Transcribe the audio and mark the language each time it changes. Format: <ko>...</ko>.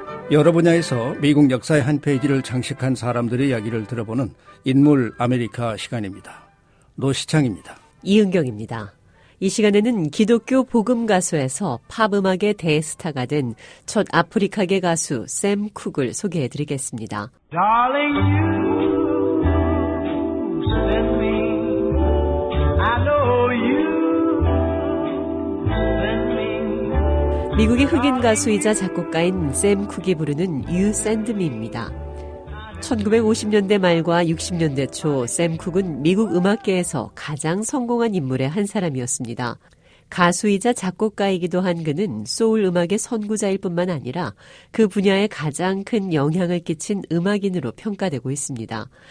<ko>여러 분야에서 미국 역사의 한 페이지를 장식한 사람들의 이야기를 들어보는 인물 아메리카 시간입니다. 노시창입니다. 이은경입니다. 이 시간에는 기독교 복음 가수에서 팝 음악의 대스타가 된 첫 아프리카계 가수 샘 쿡을 소개해드리겠습니다.</ko> <en>Darling you send me, I know you send me.</en> <ko>미국의 흑인 가수이자 작곡가인 샘 쿡이 부르는 You Send Me입니다. 1950년대 말과 60년대 초 샘 쿡은 미국 음악계에서 가장 성공한 인물의 한 사람이었습니다. 가수이자 작곡가이기도 한 그는 소울 음악의 선구자일 뿐만 아니라 그 분야에 가장 큰 영향을 끼친 음악인으로 평가되고 있습니다.</ko>